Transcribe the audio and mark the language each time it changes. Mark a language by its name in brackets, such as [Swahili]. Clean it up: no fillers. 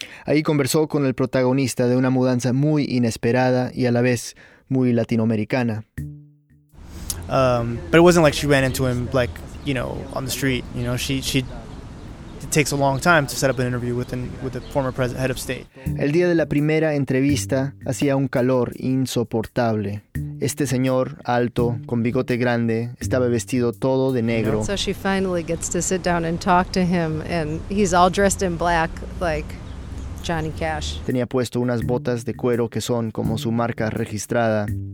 [Spanish] Ahí conversó con el protagonista de una mudanza muy inesperada y a la vez muy latinoamericana. [English] But it wasn't like she ran into him, like, you know, on the street. You know, she takes a long time to set up an interview with the former president, head of state. [Spanish] El día de la primera entrevista hacía un calor insoportable. Este señor alto con bigote grande estaba vestido todo de negro. [English] You know, so she finally gets to sit down and talk to him, and he's all dressed in black, like Johnny Cash. [Spanish] Tenía puesto unas botas de cuero que son como su marca registrada.